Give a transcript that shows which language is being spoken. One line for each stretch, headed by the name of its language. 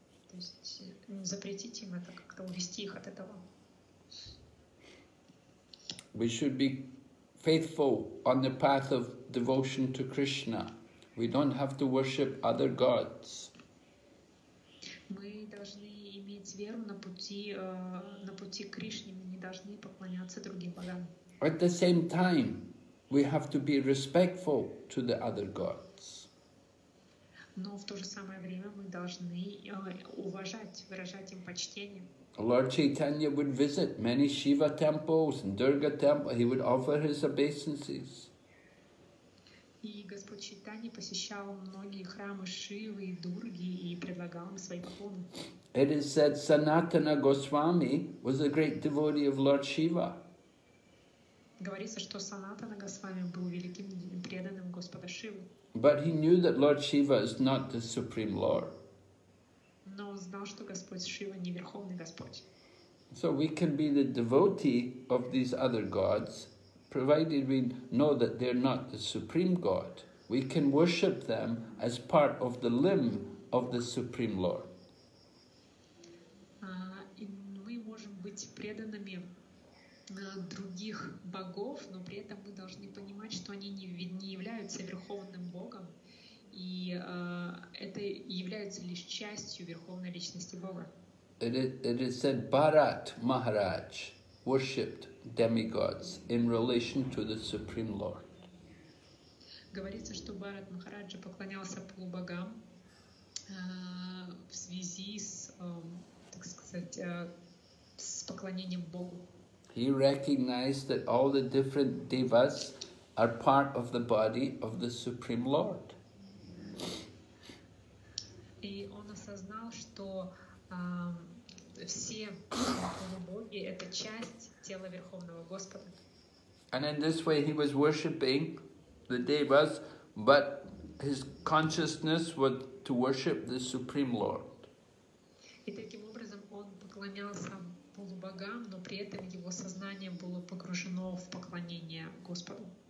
Russian: То есть запретить им это, как-то увести их от этого.
English: We should be faithful on the path of devotion to Krishna. We don't have to worship other gods.
Russian: Мы должны иметь веру на пути к Кришне. Мы не должны поклоняться другим богам.
English: At the same time, we have to be respectful to the other gods.
Russian: Но в то же самое время мы должны уважать, выражать им почтение.
English: Lord Chaitanya would visit many Shiva temples and Durga temples. He would offer his obeisances.
Russian: И Господь Чайтанья посещал многие храмы Шивы и Дурги и предлагал им свои поклоны.
English: It is said Sanatana Goswami was a great devotee of Lord Shiva.
Russian: Говорится, что Санатана Госвами был великим преданным Господа Шивы.
English: But he knew that Lord Shiva is not the supreme Lord.
Russian: Но знал, что Господь Шива не верховный Господь.
English: So we can be the devotee of these other gods, provided we know that they're not the supreme God. We can worship them as part of the limb of the supreme Lord.
Russian: И мы можем быть преданными других богов, но при этом мы должны понимать, что они не являются верховным Богом. И это является лишь частью Верховной Личности Бога.
English: It is said Bharat Maharaj worshipped demigods in relation to the Supreme Lord.
Russian: Говорится, что Бхарат Махараджа поклонялся полубогам в связи с, так сказать, с поклонением Богу.
English: He recognized that all the different devas are part of the body of the Supreme Lord.
Russian: И он осознал, что все боги — это часть тела Верховного Господа.
English: And in this way he was worshipping the devas, but his consciousness was to worship the Supreme Lord.
Russian: И таким образом он поклонялся полубогам, но при этом его сознание было погружено в поклонение Господу.